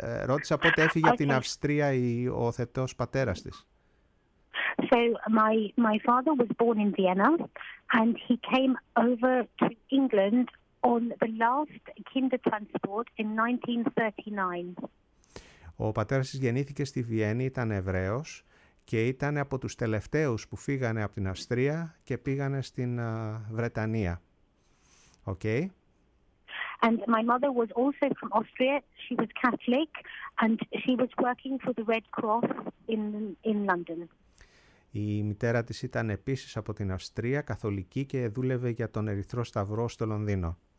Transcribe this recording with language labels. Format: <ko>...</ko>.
<el>Ρώτησα πότε έφυγε από την Αυστρία ο υιοθετός πατέρας της.</el> <en>So my father was born in Vienna, and he came over to England on the last kinder transport in 1939.</en> <el>Ο πατέρας της γεννήθηκε στη Βιέννη, ήταν Εβραίος. Και ήταν από τους τελευταίους που φύγανε από την Αυστρία και πήγανε στην Βρετανία.</el> <en>Okay. And my mother was also from Austria. She was Catholic and she was working for the Red Cross in London.</en> <el>Η μητέρα της ήταν επίσης από την Αυστρία, καθολική και δούλευε για τον Ερυθρό Σταυρό στο Λονδίνο.</el>